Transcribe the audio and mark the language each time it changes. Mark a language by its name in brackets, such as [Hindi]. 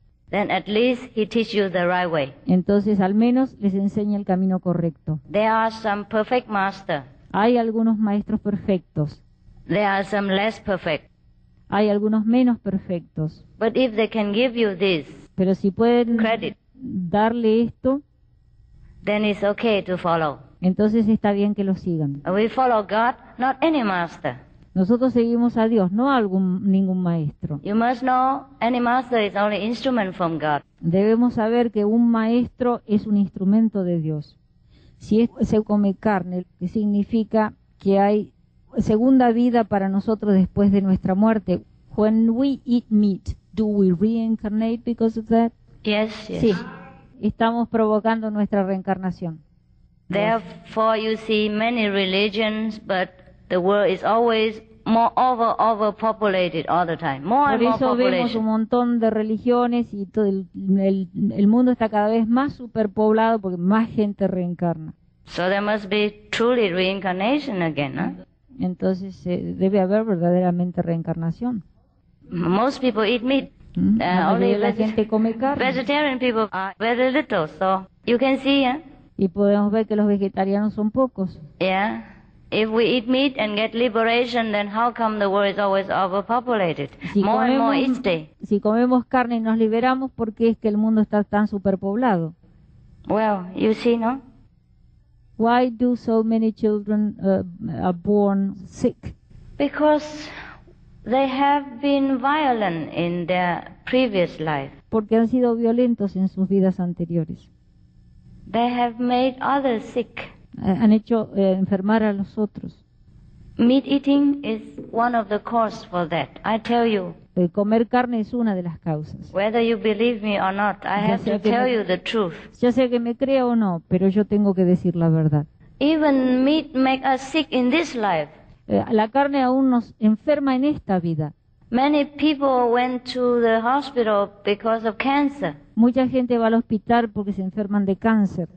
[English] then at least he teach you the right way. [Spanish] Entonces al menos les enseña el camino correcto. [English] There are some perfect master. [Spanish] Hay algunos maestros perfectos. [English] There are some less perfect. [Spanish] Hay algunos menos perfectos. [English] But if they can give you this, [Spanish] pero si pueden [English] credit, [Spanish] darle esto, [English] then it's okay to follow. [Spanish] Entonces está bien que lo sigan. [English] We follow God, not any master. [Spanish] Nosotros seguimos a Dios, no a ningún maestro. [English] You must know any master is only instrument from God. [Spanish] Debemos saber que un maestro es un instrumento de Dios. Si es, se come carne, que significa que hay segunda vida para nosotros después de nuestra muerte. [English] When we eat meat, do we reincarnate because of that? Yes, yes. [Spanish] Sí, estamos provocando nuestra reencarnación. [English] Therefore, you see many religions, but the world is always overpopulated all the time. [Spanish] Por eso vemos un montón de religiones y todo el mundo está cada vez más superpoblado porque más gente reencarna. [English] So there must be truly reincarnation again, ¿no? [Spanish] Entonces debe haber verdaderamente reencarnación. [English] Most people eat meat. [Spanish] La gente come carne. [English] Vegetarian people are very little, so you can see, yeah. [Spanish] Y podemos ver que los vegetarianos son pocos. [English] Yeah. If we eat meat and get liberation, then how come the world is always overpopulated? More and more each day. [Spanish] Si comemos carne y nos liberamos, ¿por qué es que el mundo está tan superpoblado? [English] Well, you see, no? Why do so many children are born sick? Because they have been violent in their previous life. [Spanish] Porque han sido violentos en sus vidas anteriores. [English] They have made others sick. [Spanish] Han hecho enfermar a los otros. [English] Meat eating is one of the causes for that. I tell you. [Spanish] El comer carne es una de las causas. [English] Whether you believe me or not, I [Spanish] ya [English] have to tell you the truth. [Spanish] Ya sea que me crea o no, pero yo tengo que decir la verdad. [English] Even meat makes us sick in this life. [Spanish] La carne aún nos enferma en esta vida. [English] Many people went to the hospital because of cancer. [Spanish] Mucha gente va al hospital porque se enferman de cáncer.